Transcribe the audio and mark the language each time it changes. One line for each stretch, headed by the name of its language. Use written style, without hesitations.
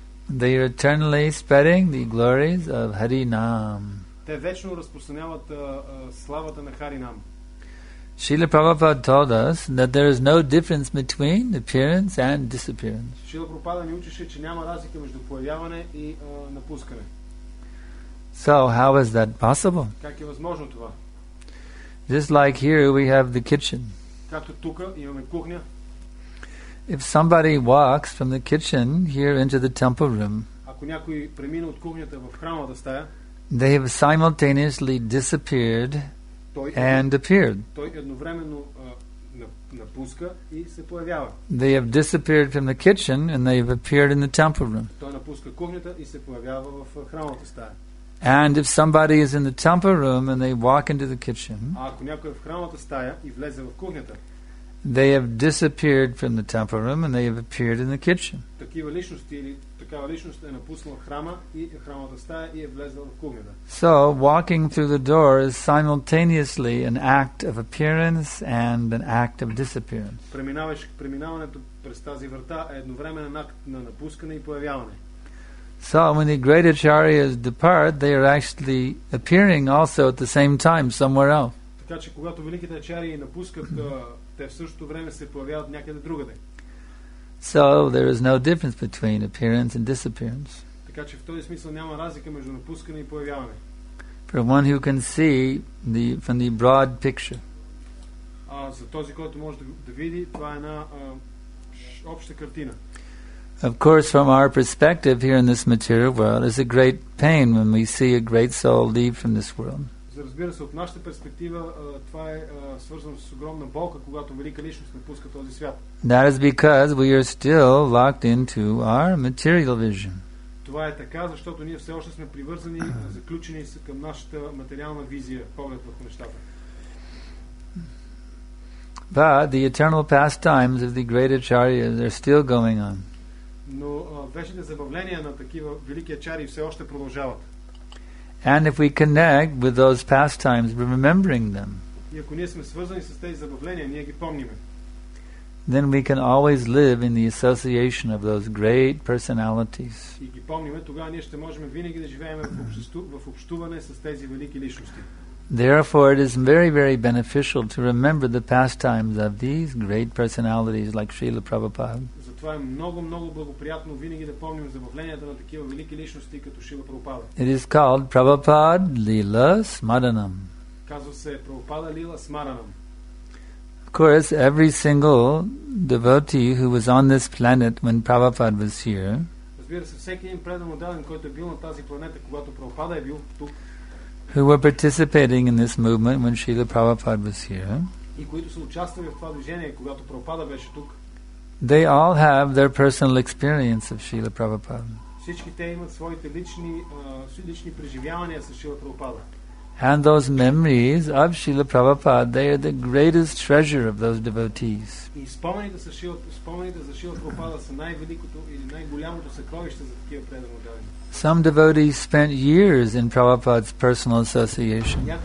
English: They are eternally spreading the glories of Hari Nam.
Bulgarian: Те вечно разпространяват славата на Харинам.
English: Шрила Прабхупада told us that there is no difference between appearance and disappearance.
Bulgarian: Шрила Прабхупада ни учеше, че няма разлика между появяване и напускане.
English: So how is that possible?
Bulgarian: Как е възможно това?
English: Just like here we have the kitchen.
Bulgarian: Както тук имаме кухня.
English: If somebody walks from the kitchen here into the temple room.
Bulgarian: Ако някой премине от кухнята в храмовата стая,
English: they have simultaneously disappeared and appeared.
Bulgarian: Той едновременно напуска и се появява.
English: They have disappeared from the kitchen and they have appeared in the temple room.
Bulgarian: Той напуска кухнята и се появява в храмовата стая.
English: And if somebody is in the temple room and they walk into the kitchen,
Bulgarian: ако някой е в храмовата стая и влезе в кухнята,
English: they have disappeared from the temple room and they have appeared in the kitchen.
Bulgarian: Такива личности или такава личност е напуснала храма и храмовата стая и е влезла в кухнята.
English: So walking through the door is simultaneously an act of appearance and an act of disappearance.
Bulgarian: Преминаването през тази врата е едновременно акт на напускане и появяване.
English: So when the great acharyas depart, they are actually appearing also at the same time somewhere else.
Bulgarian: Така че когато великите ачарии напускат, те в същото време се появяват някъде другаде.
English: So there is no difference between appearance and disappearance.
Bulgarian: Така че в този смисъл няма разлика между напускане и появяване.
English: For one who can see the from the broad picture.
Bulgarian: За този който може да види, това е една обща картина.
English: Of course, from our perspective here in this material world, it's a great pain when we see a great soul leave from this world.
Bulgarian: Разбира се, от нашата перспектива това е свързано с огромна болка, когато велика личност напуска този свят.
English: That is because we are still locked into our material vision.
Bulgarian: Това е така, защото ние все още сме привързани, заключени са към нашата материална визия, поглед върху нещата.
English: But the eternal pastimes of the great acharyas are still going on.
Bulgarian: Но вечните забавления на такива велики ачари все още продължават.
English: And if we connect with those pastimes, remembering them,
Bulgarian: И ако ние сме свързани с тези забавления, ние ги помниме.
English: Then we can always live in the association of those great personalities.
Bulgarian: И ги помниме, тогава ние ще можем винаги да живеем в общуване с тези велики личности.
English: Therefore, it is very, very beneficial to remember the pastimes of these great personalities like Srila Prabhupada.
Bulgarian: Затова е много, много благоприятно винаги да помним забавленията на такива велики личности като Шрила Прабхупада.
English: It is called Prabhupada Lila Smaranam.
Bulgarian: Казва се Прабхупада Лила Смаранам.
English: Of course, every single devotee who was on this planet when Prabhupada was here.
Bulgarian: Разбира се, всеки един предан отделен, който е бил на тази планета, когато Прабхупада е бил тук.
English: Who were participating in this movement when Srila Prabhupada was here,
Bulgarian: и които са участвали в това движение, когато Прабхупада беше тук,
English: they all have their personal experience of Srila Prabhupada.
Bulgarian: Всички те имат своите лични, лични преживявания с Шрила Прабхупада.
English: And those memories of Srila Prabhupada, they are the greatest treasure of those devotees.
Bulgarian: И спомените за Шрила Прабхупада са най-великото или най-голямото съкровище за такива предани отдалени.
English: Some devotees spent years in Prabhupada's personal association.